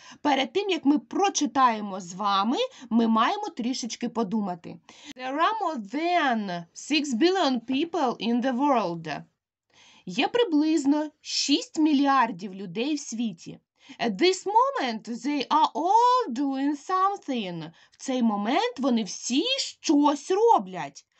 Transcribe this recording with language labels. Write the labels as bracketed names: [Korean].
[Ukrainian] Перед тим, як ми прочитаємо з вами, ми маємо трішечки подумати. [English] There are more than 6 billion people in the world. [Ukrainian] Є приблизно 6 мільярдів людей в світі. [English] At this moment, they are all doing something. [Ukrainian] В цей момент вони всі щось роблять.